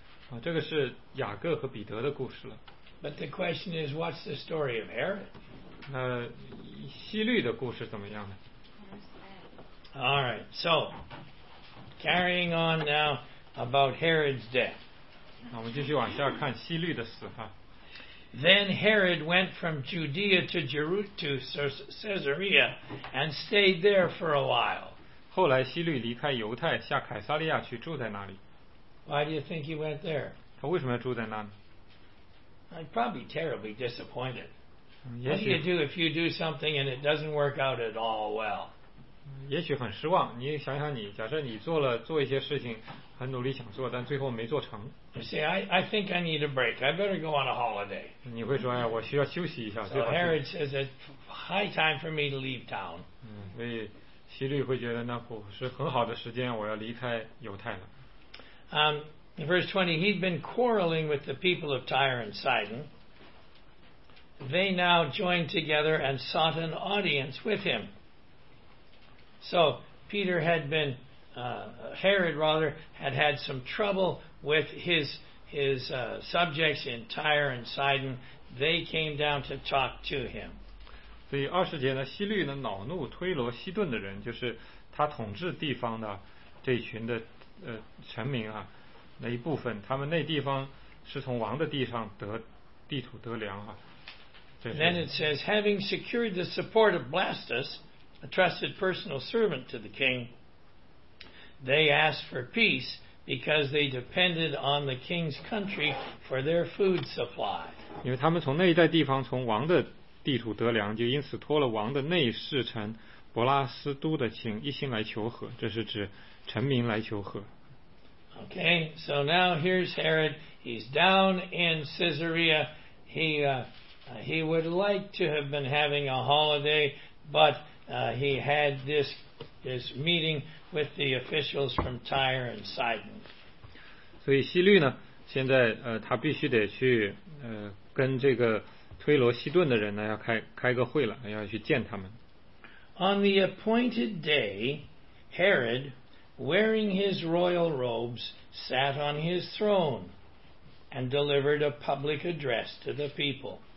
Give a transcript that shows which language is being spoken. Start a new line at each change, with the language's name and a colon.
Chinese: 啊，这个是雅各和彼得的故事了。
English: But the question is, what's the story of Herod?
Chinese: 那希律的故事怎么样呢？
English: All right, so carrying on now about Herod's death.
Chinese: 那我们继续往下看希律的死哈。
English: Then Herod went from Judea to Caesarea and stayed there for a while.
Chinese: 后来希律离开犹太，下凯撒利亚去住在那里。
English: Why do you think he went there?
Chinese: 他为什么要住在那里？
English: I'd probably be terribly disappointed. What do you do if you do something and it doesn't work out at all well?
Chinese: 也许很失望。你想想你，假设你做一些事情，很努力想做，但最后没做成。
English: You see, I think I need a break. I better go on a holiday.
Chinese: 你会说，哎，我需要休息一下。
English: So Herod says it's high time for me to leave town.
Chinese: 所以希律会觉得那不是很好的时间，我要离开犹太了。
English: Verse 20, he'd been quarreling with the people of Tyre and Sidon. They now joined together and sought an audience with him. So, Herod had had some trouble with his subjects in Tyre and Sidon. They came down to talk to him.
Chinese: 所以二十节呢，希律呢恼怒推罗西顿的人，就是他统治地方的这群的臣民啊。那一部分，他们那地方是从王的地上得地土得粮啊。
English: Then it says, having secured the support of Blastus, a trusted personal servant to the king, they asked for peace because they depended on the king's country for their food supply.
Chinese: 因为他们从那一带地方从王的地土得粮，就因此托了王的内侍臣伯拉斯都的情，一心来求和。这是指臣民来求和。
English: Okay, so now here's Herod. He's down in Caesarea. He would like to have been having a holiday, but he had this meeting with the officials from Tyre and Sidon.
Chinese: 所以希律呢，现在他必须得去跟这个推罗西顿的人呢，要开个会了，要去见他们。
English: On the appointed day, Herod, wearing his royal robes, sat on his throne and delivered a public address to the people.